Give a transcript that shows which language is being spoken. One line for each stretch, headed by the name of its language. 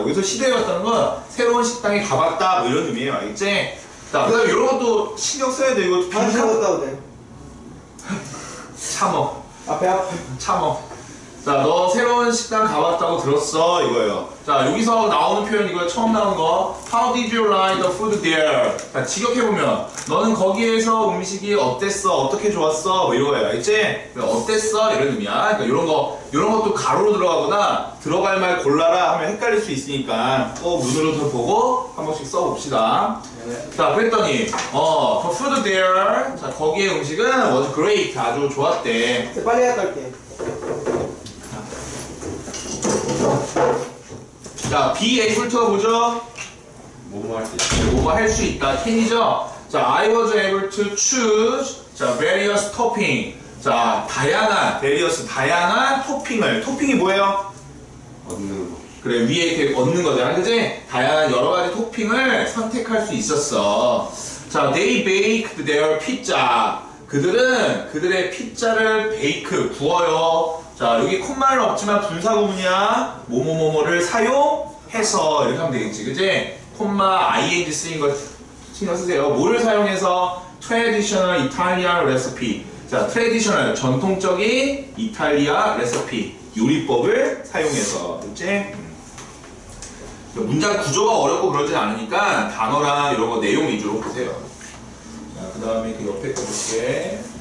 Korean: 여기서 시도해봤다는 건 새로운 식당에 가봤다. 뭐 이런 의미예요. 알겠지? 자, 그 다음에 이런 것도 신경 써야 돼. 이거 반 참았다고 돼. 참어. 앞에 앞에. 참어. 자, 너 새로운 식당 가봤다고 들었어. 이거예요. 자, 여기서 나오는 표현, 이거 처음 나온 거.
English: How did you like the food there?
Korean: 자, 직역해보면. 너는 거기에서 음식이 어땠어? 어떻게 좋았어? 뭐 이거예요. 알겠지? 어땠어? 이런 의미야. 그러니까 이런 거, 이런 것도 가로로 들어가거나 들어갈 말 골라라 하면 헷갈릴 수 있으니까 꼭 눈으로 좀 보고 한 번씩 써봅시다. 네. 자, 그랬더니,
English: the food there.
Korean: 자, 거기에 음식은
English: was great.
Korean: 아주 좋았대. 빨리 해야 할게. 자, be able to 보죠? 뭐뭐 할 수 있다. 캔이죠? 자,
English: I was able to choose. 자, various topping.
Korean: 자, 다양한, various, 다양한 토핑을. 토핑이 뭐예요? 얻는 거. 그래, 위에 이렇게 얻는 거잖아. 그치? 다양한 여러 가지 토핑을 선택할 수 있었어.
English: 자, they baked their pizza.
Korean: 그들은 그들의 피자를 베이크, 구워요. 자, 여기 콤마는 없지만 분사구문이야. 뭐뭐뭐뭐를 사용해서 이렇게 하면 되겠지, 그치? 콤마, ing 쓰인 거 신경 쓰세요. 뭐를 사용해서
English: traditional Italian recipe.
Korean: 자, traditional, 전통적인 이탈리아 레시피. 요리법을 사용해서, 그치? 문장 구조가 어렵고 그러진 않으니까 단어랑 이런 거 내용 위주로 보세요. 자, 그 다음에 그 옆에 거 볼게.